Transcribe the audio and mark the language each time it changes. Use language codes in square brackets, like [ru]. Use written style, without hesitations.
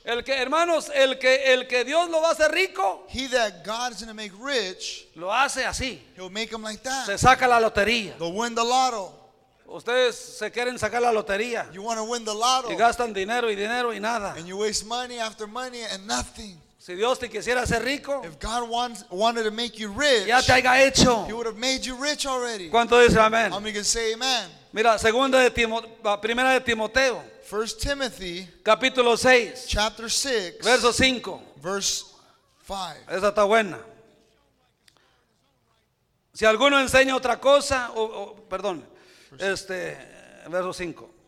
[es] El que, hermanos, el que Dios lo va a hacer rico. [en] He that God is going to make rich. [es] Lo hace así. [en] He'll make him like that. [es] Se saca la lotería. [en] They'll win the lotto. [es] Ustedes se quieren sacar la lotería. [en] You want to win the lotto. [es] Y gastan dinero y dinero y nada. [en] And you waste money after money and nothing. [es] Si Dios te quisiera hacer rico, [en] if God wanted to make you rich, [es] ya te haya hecho. [en] He would have made you rich already. [es] ¿Cuánto dice amén? [en] I'm going to say amen. [es] Mira, segunda de Timoteo, primera de Timoteo. [en] 1 Timothy, [es] capítulo 6, [en] chapter 6, [es] verso 5. [en] Verse [es] 5. Esa está buena. Si alguno enseña otra cosa, perdón, verso 5.